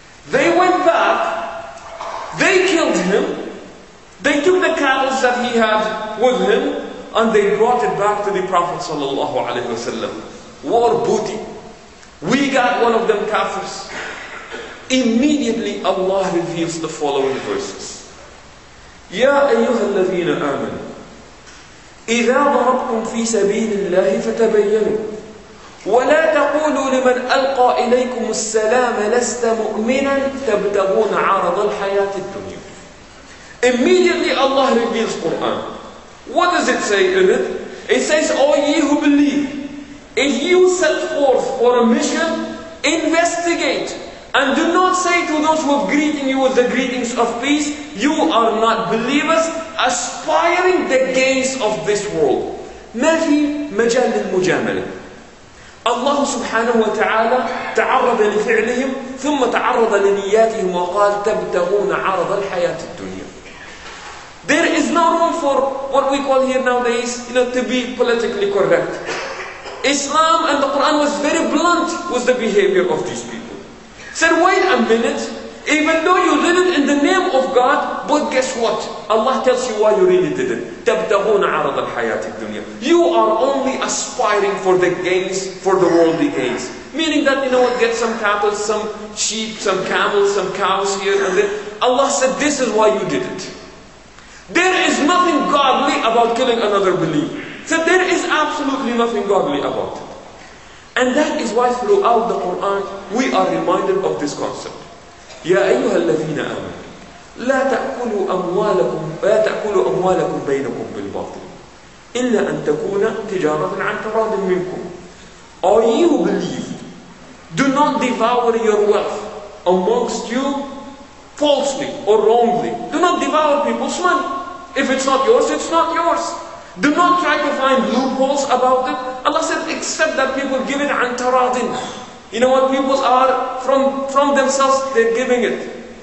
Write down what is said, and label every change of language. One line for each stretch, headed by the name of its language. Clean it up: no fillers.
English: They went back. They killed him. They took the cattle that he had with him and they brought it back to the Prophet sallallahu alaihi wasallam. War booty. We got one of them kafirs. Immediately Allah reveals the following verses. Ya ayyuhal ladhina amanu,
Arabic: إذا ضربتم في سبيل الله فتبينوا ولا تقولوا لمن ألقى إليكم السلام لست مؤمنا تبتغون عرض الحياة الدنيا.
English: Immediately Allah reveals Quran. What does it say in it? It says, O ye who believe, if you set forth for a mission, investigate and do not say to those who are greeting you with the greetings of peace, you are not believers aspiring the gains of this world.
Arabic: ما في مجال المجاملة. الله سبحانه وتعالى تعرض لفعلهم ثم تعرض لنياتهم وقال تبتغون عرض الحياة الدنيا.
English: There is no room for what we call here nowadays, you know, to be politically correct. Islam and the Quran was very blunt with the behavior of these people. Said, wait a minute, even though you did it in the name of God, but guess what? Allah tells you why you really did it.
Arabic: تَبْتَغُونَ عَرَضَ الْحَيَاةِ الدُّنْيَا.
English: You are only aspiring for the gains, for the worldly gains. Meaning that, you know what, get some cattle, some sheep, some camels, some cows here and there. Allah said, this is why you did it. There is nothing godly about killing another believer. Said, there is absolutely nothing godly about it. And that is why throughout the Quran, we are reminded of this concept.
Arabic: يا أيها الذين آمنوا لا تأكلوا أموالكم لا تأكلوا أموالكم بينكم بالباطل إلا أن تكون تجارة عن تراض منكم.
English: Are you believed? Do not devour your wealth amongst you falsely or wrongly. Do not devour people's money. If it's not yours, it's not yours. Do not try to find loopholes about it. Allah said, except that people give it
Arabic: an taradin.
English: You know what, people are from themselves, they're giving it.